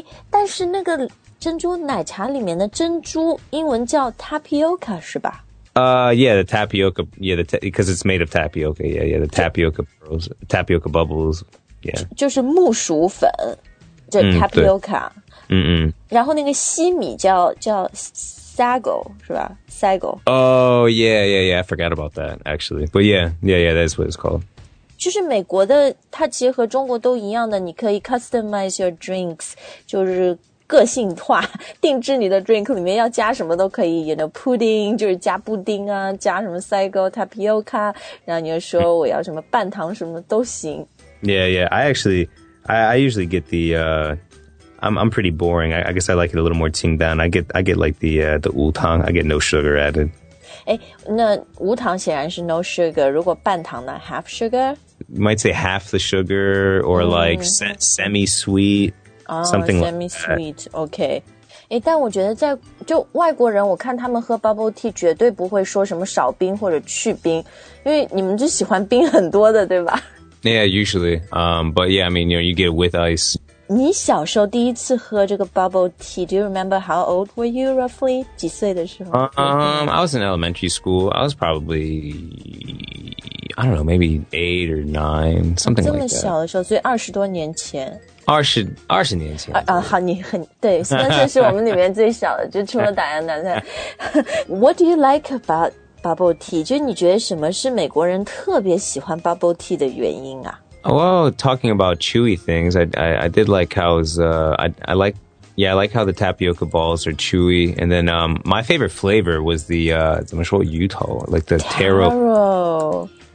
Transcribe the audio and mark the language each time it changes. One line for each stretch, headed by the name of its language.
Chinese: 但是那个珍珠奶茶里面的珍珠英文叫 tapioca, 是吧
English: Yeah, the tapioca, yeah, because it's made of tapioca, yeah, yeah, the tapioca pearls, tapioca bubbles, yeah.
Chinese: 就是木薯粉,就 tapioca. 然后那个西米叫 sago, 是吧?
English: Sago. Oh, yeah, yeah, yeah, I forgot about that, actually. But yeah, yeah, yeah, that's what it's called.
Chinese: 就是美国的,它其实和中国都一样的,你可以 customize your drinks, 就是个性化定制你的 drink 里面要加什么都可以 you know, pudding, 就是加布丁啊加什么 sago, tapioca, 然后你就说我要什么半糖什么都行。
English: Yeah, yeah, I usually get the, I'm pretty boring, I guess I like it a little more qing down, I get like the 无糖, I get no sugar added.
Chinese: 那无糖显然是 no sugar, 如果半糖呢 half sugar?
English: You might say half the sugar, or like semi-sweet,Something like semi-sweet, OK.
Chinese: 但我觉得在就外国人我看他们喝 bubble tea 绝对不会说什么少冰或者去冰因为你们就喜欢冰很多的对吧
English: Yeah, usually. But yeah, I mean, you know, you get with ice. 你小时候第一次喝这个 bubble tea, do you remember how old were you roughly?
Chinese: 几岁的时候
English: I was in elementary school. I was probably, I don't know, maybe 8 or 9, something like that.
Chinese: 这么小的时候所以二十多年前。二十年前啊，好，你很对，三岁是我们里面最小的，就除了打烊奶奶。
English: What do you like about bubble tea?
Chinese: 就你觉得什么是美国人特别喜欢 bubble tea 的原因啊
English: ？Well, talking about chewy things, I did like how it was, I like how the tapioca balls are chewy, and then my favorite flavor was the 怎么说芋头 like the taro.